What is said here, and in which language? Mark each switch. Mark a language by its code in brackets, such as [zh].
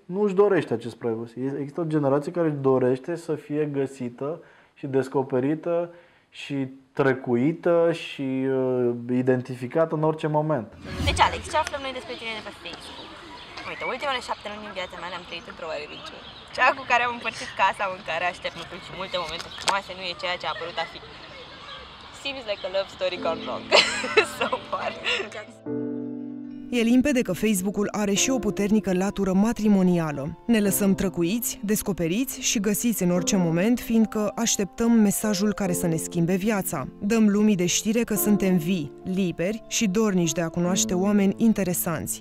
[ro] Nu își dorește acest privacy. Există o generație care își dorește să fie găsită și descoperită și trecuită și identificată în orice moment. Deci, Alex, ce aflăm noi despre tine de pe Facebook? Uite, ultimele 7 luni din viața mea le-am trăit într-o religie. Cea cu care am împărțit casa în care aștept lucruri și multe momente frumoase nu e ceea ce a apărut a fi. [en] Seems like a love story gone wrong. So far. [ro] E limpede că Facebook-ul are și o puternică latură matrimonială. Ne lăsăm trăcuiți, descoperiți și găsiți în orice moment, fiindcă așteptăm mesajul care să ne schimbe viața. Dăm lumii de știre că suntem vii, liberi și dornici de a cunoaște oameni interesanți.